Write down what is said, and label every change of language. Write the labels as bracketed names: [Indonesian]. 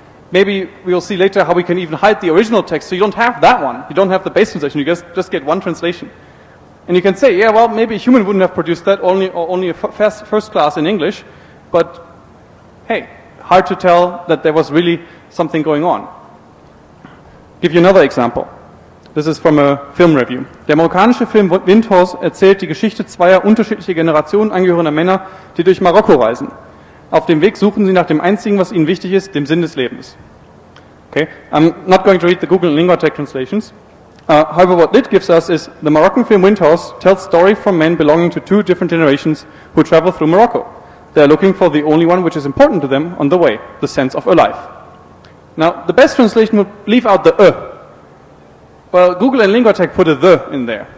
[English] maybe we'll see later how we can even hide the original text. So you don't have that one. You don't have the base translation. You just get one translation. And you can say, yeah, well, maybe a human wouldn't have produced that, only a first class in English. But hey, hard to tell that there was really something going on. Give you another example. This is from a film review. [German] Der amerikanische Film Windhorse erzählt die Geschichte zweier unterschiedlicher Generationen angehörender Männer, die durch Marokko reisen. Auf dem Weg suchen sie nach dem einzigen, was ihnen wichtig ist, dem Sinn des Lebens. [English] Okay, I'm not going to read the Google LinguaTech translations. However, what Lit gives us is the Moroccan film Windhorse tells story from men belonging to two different generations who travel through Morocco. They are looking for the only one which is important to them on the way, the sense of a life. Now, the best translation would leave out the Well, Google and LinguaTech put a the in there.